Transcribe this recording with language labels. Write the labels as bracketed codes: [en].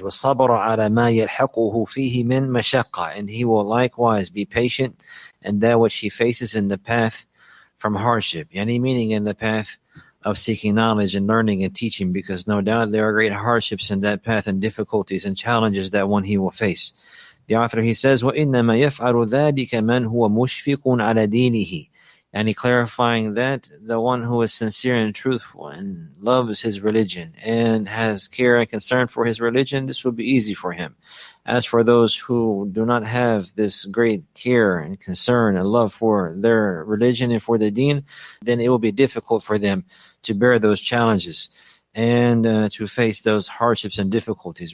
[ar] وَصَبَرَ عَلَى مَا يَلْحَقُهُ فِيهِ مِنْ مَشَقَّةٍ. [en] And he will likewise be patient in that which he faces in the path from hardship. Any meaning in the path of seeking knowledge and learning and teaching, because no doubt there are great hardships in that path and difficulties and challenges that one he will face. The author, he says, [ar] وَإِنَّمَا يَفْعَلُ ذَٰلِكَ مَنْ هُوَ مُشْفِقٌ عَلَى دِينِهِ. [en] And he clarifying that the one who is sincere and truthful and loves his religion and has care and concern for his religion, this will be easy for him. As for those who do not have this great care and concern and love for their religion and for the deen, then it will be difficult for them to bear those challenges and to face those hardships and difficulties.